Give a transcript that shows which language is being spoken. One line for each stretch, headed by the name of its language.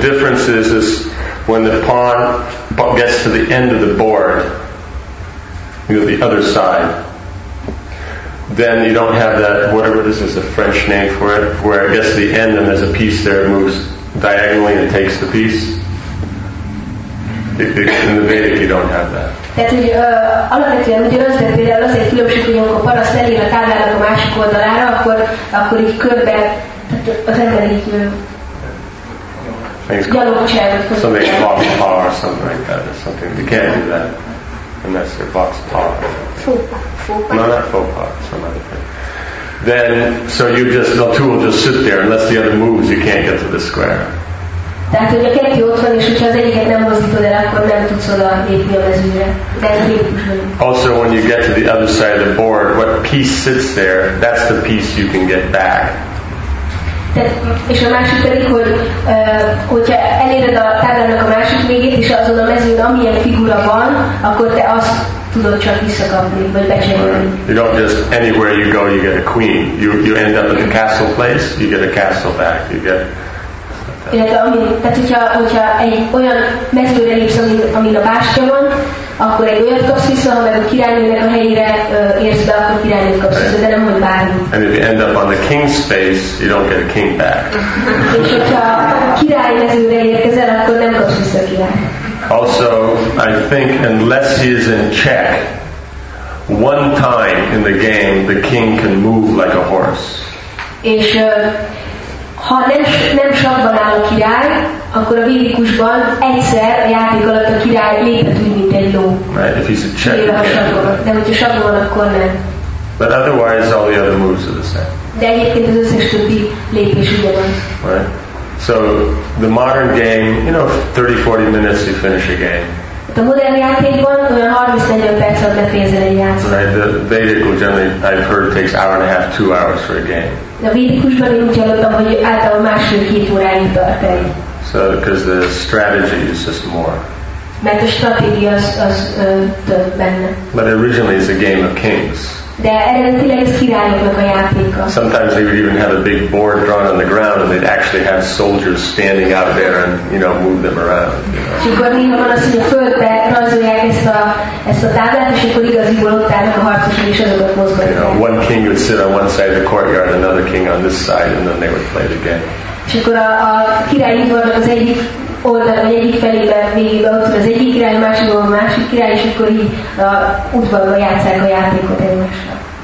English: difference is when the pawn gets to the end of the board, you know, the other side, then you don't have that, whatever this is, the French name for it, where it gets to the end and there's a piece there, it moves diagonally and takes the piece. In the Vedic you don't have that.
Hungarian: Tehát, hogy alapvetően ugyanaz, de például azért különbség, hogy amikor a paraszt elér a táblának a másik oldalára, akkor így körbe, az ember így gyalogcsáv.
English: Something like box paw or something like that. Or something. You can't do that unless you're box paw. Faux paw. No, not faux paw. Some other thing. Then, so you just, the two will just sit there. Unless the other moves, you can't get to the square.
Hungarian: Tehát, hogy a kettő ott van, és hogyha az egyiket nem mozdítod el, akkor nem tudsz oda lépni a mezőre.
English: Also, when you get to the other side of the board, what piece sits there, that's the piece you can get back.
Hungarian: És a másik pedig, hogyha eléred a táblának a másik végét, és azon a mezőn, amilyen figura van, akkor te azt tudod csak visszakapni, vagy becsengedni.
English: You don't just, anywhere you go, you get a queen. You end up at the castle place, you get a castle back. You get...
Hungarian: Tehát, hogyha egy olyan mezőre lépsz, amin a bástya van, akkor egy olyat kapsz vissza, ha meg a királynőnek a helyére érsz be, akkor királynőt kapsz vissza, de nem, hogy bármi.
English: And if you end up on the king's face, you don't get a king back.
Hungarian: És hogyha a király mezőre érkezel, akkor nem kapsz vissza a király.
English: Also, I think, unless he is in check, one time in the game, the king can move like a horse.
Hungarian: És ha nem sakkban áll a király, akkor a védikusban egyszer a játék alatt a király léphet úgy, mint egy ló.
English: Right, if he's a check.
Hungarian: De hogyha sakkban van, akkor nem.
English: But otherwise all the other moves are the same.
Hungarian: De egyébként az összes többi lépés ugyanaz.
English: Right. So the modern game, you know, 30-40 minutes you finish a game.
Hungarian: A modern játékban olyan 30-40 perc alatt befejezel egy játékot.
English: Right, the Vedic generally, I've heard, takes hour and a half, 2 hours for a game.
Hungarian: A védikusban én úgy hallottam, hogy általában másfél két óráig tart el.
English: So, because the strategy is just more.
Hungarian: Mert a stratégia az több benne.
English: But originally it's a game of kings.
Hungarian: De eredetileg ez királyoknak a játéka.
English: Sometimes they would even have a big board drawn on the ground and they'd actually have soldiers standing out there and, you know, move them around.
Hungarian: És akkor néha van az, hogy a földbe rajzolják ezt a táblát, és akkor igaziból ott állnak a harcosok, és azokat mozgatják.
English: One king would sit on one side of the courtyard, another king on this side, and then they would play the game.
Hungarian: És akkor a király udvarnak az egyik oldal, vagy egyik felébe végig ott van az egyik király, másik a másik király, és akkor így a udvarban játsszák a játékot egymással.